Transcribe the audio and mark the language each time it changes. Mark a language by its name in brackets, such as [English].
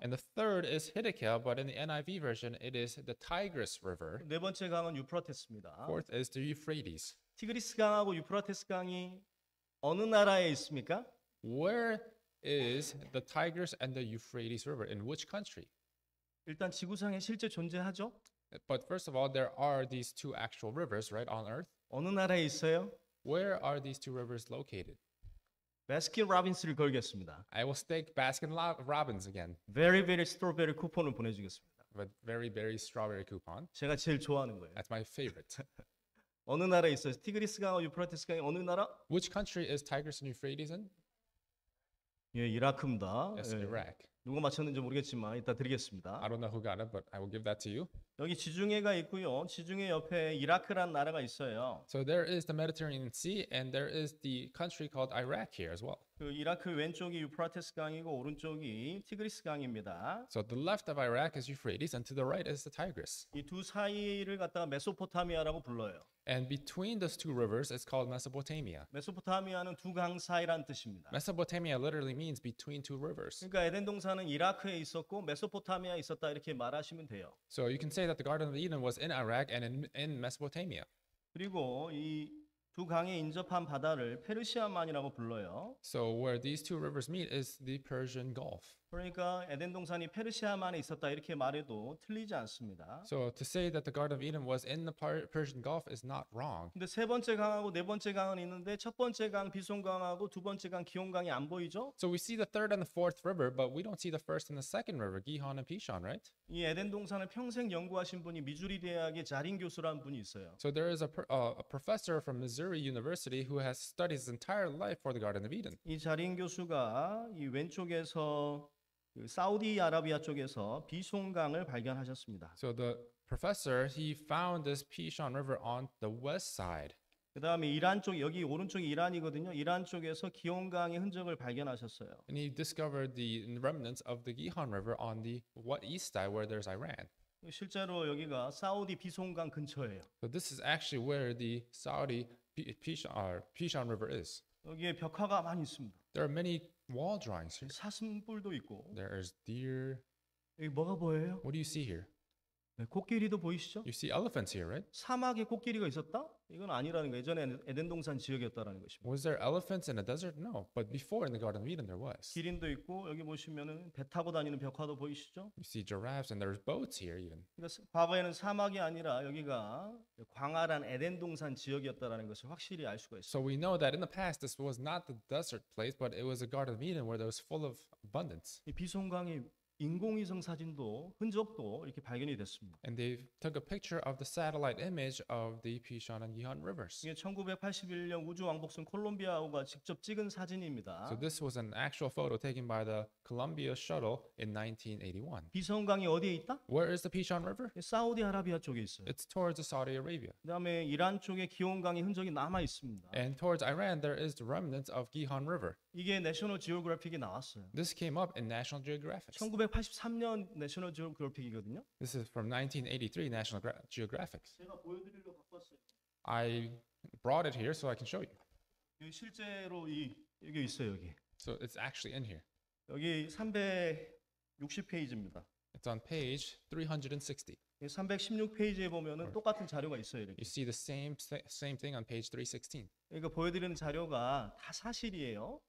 [English] And the third is Hiddekel, but in the NIV version, it is the Tigris River. [Korean] 네 번째 강은 유프라테스입니다. [English] Fourth is the Euphrates. [Korean] 티그리스 강하고 유프라테스 강이 어느 나라에 있습니까? [English] Where is the Tigris and the Euphrates River in which country? [Korean] 일단 지구상에 실제 존재하죠. [English] But first of all, there are these two actual rivers, right, on Earth. [Korean] 어느 나라에 있어요? [English] Where are these two rivers located? [Korean] Baskin Robbins를 걸겠습니다. [English] I will stake Baskin Robbins again. [Korean] Very very strawberry 쿠폰을 보내주겠습니다. [English] But very very strawberry coupon. [Korean] 제가 제일 좋아하는 거예요. [English] That's my favorite. [Korean] 어느 나라에 있어요? 티그리스 강과 유프라테스 강이 어느 나라? [English] Which country is Tigris and Euphrates in? [Korean] 예, 이라크입니다. [English] Yes, Iraq. [Korean] 누가 맞췄는지 모르겠지만 이따 드리겠습니다. [English] I don't know who got it, but I will give that to you. [Korean] 여기 지중해가 있고요. 지중해 옆에 이라크라는 나라가 있어요. [English] So there is the Mediterranean Sea, and there is the country called Iraq here as well. [Korean] 그 이라크 왼쪽이 유프라테스 강이고 오른쪽이 티그리스 강입니다. [English] So the left of Iraq is Euphrates, and to the right is the Tigris. [Korean] 이 두 사이를 갖다가 메소포타미아라고 불러요. [English] And between those two rivers, it's called Mesopotamia. [Korean] Mesopotamia는 두 강 사이란 뜻입니다. [English] Mesopotamia literally means between two rivers. [Korean] 그러니까 에덴 동산은 이라크에 있었고 메소포타미아 있었다 이렇게 말하시면 돼요. [English] So you can say that the Garden of Eden was in Iraq and in Mesopotamia. [Korean] 그리고 이 두 강에 인접한 바다를 페르시아만이라고 불러요. [English] So where these two rivers meet is the Persian Gulf. [Korean] 그러니까 에덴 동산이 페르시아만에 있었다 이렇게 말해도 틀리지 않습니다. [English] So to say that the Garden of Eden was in the Persian Gulf is not wrong. [Korean] 근데 세 번째 강하고 네 번째 강은 있는데 첫 번째 강 비손 강하고 두 번째 강 기온 강이 안 보이죠? [English] So we see the third and the fourth river, but we don't see the first and the second river, Gihon and Pishon, right? [Korean] 이 에덴 동산을 평생 연구하신 분이 미주리 대학의 자린 교수라는 분이 있어요. [English] So there is a professor from Missouri University who has studied his entire life for the Garden of Eden. [Korean] 이 자린 교수가 이 왼쪽에서 사우디아라비아 쪽에서 비손강을 발견하셨습니다. [English] So the professor, he found this Pishon River on the west side. [Korean] 그 다음에 이란 쪽, 여기 오른쪽이 이란이거든요. 이란 쪽에서 기온강의 흔적을 발견하셨어요. [English] And he discovered the remnants of the Gihon River on the what east side where there's Iran. [Korean] 실제로 여기가 사우디 비손강 근처예요. [English] So this is actually where the Saudi Pishon River is. [Korean] 여기에 벽화가 많이 있습니다. [English] There are many wall drawings here. [Korean] 사슴뿔도 있고. [English] There is deer. [Korean] 여기 뭐가 보여요? [English] What do you see here? [Korean] 네, 코끼리도 보이시죠? [English] You see elephants here, right? [Korean] 사막에 코끼리가 있었다? 이건 아니라는 거예요. 예전에 에덴 동산 지역이었다라는 것입니다. [English] Was there elephants in the desert? No. But before in the Garden of Eden, there was. [Korean] 기린도 있고 여기 보시면은 배 타고 다니는 벽화도 보이시죠? [English] You see giraffes and there's boats here even. [Korean] 그러니까 과거에는 사막이 아니라 여기가 광활한 에덴 동산 지역이었다라는 것을 확실히 알 수가 있어요. [English] So we know that in the past this was not the desert place, but it was a Garden of Eden where there was full of abundance. [Korean] 이 비손강이 인공위성 사진도 흔적도 이렇게 발견이 됐습니다. [English] And they took a picture of the satellite image of the Pishon and Gihon rivers. [Korean] 이게 1981년 우주 왕복선 콜롬비아호가 직접 찍은 사진입니다. [English] So this was an actual photo taken by the Columbia shuttle in 1981. [Korean] 비손강이 어디에 있다? [English] Where is the Pishon River? [Korean] 사우디아라비아 쪽에 있어요. [English] It's towards the Saudi Arabia. [Korean] 그다음에 이란 쪽에 기온강의 흔적이 남아 있습니다. [English] And towards Iran there is the remnants of Gihon River. [Korean] 이게 National Geographic에 나왔어요. [English] This came up in National Geographic. [Korean] 1983년 National Geographic이거든요. [English] This is from 1983 National Geographic. [Korean] 제가 보여드리려고 갖고 왔어요. [English] I brought it here so I can show you. [Korean] 여기 실제로 이 여기 있어요, 여기. [English] So it's actually in here. [Korean] 여기 360 페이지입니다. [English] It's on page 360. [Korean] 이 316 페이지에 보면은 똑같은 자료가 있어요, 이렇게. [English] You see the same thing on page 316. [Korean] 이거 보여드리는 자료가 다 사실이에요.